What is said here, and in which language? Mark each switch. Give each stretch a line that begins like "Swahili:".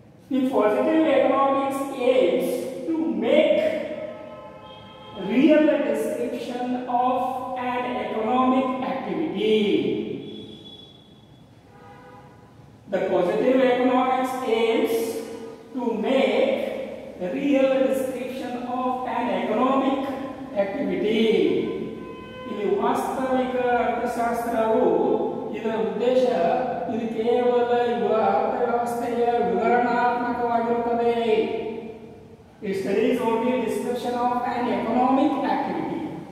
English: The positive economics aims to make real description of an economic activity. The positive economics aims to make real description of an economic activity.
Kannada: ಇಲ್ಲಿ ವಾಸ್ತವಿಕ ಅರ್ಥಶಾಸ್ತ್ರವು ಇದರ ಉದ್ದೇಶ ಇದು ಕೇವಲ ಯುವ ಅರ್ಥವ್ಯವಸ್ಥೆಯ ವಿವರಣಾತ್ಮಕವಾಗಿರುತ್ತದೆ.
English: It studies only description of an economic activity.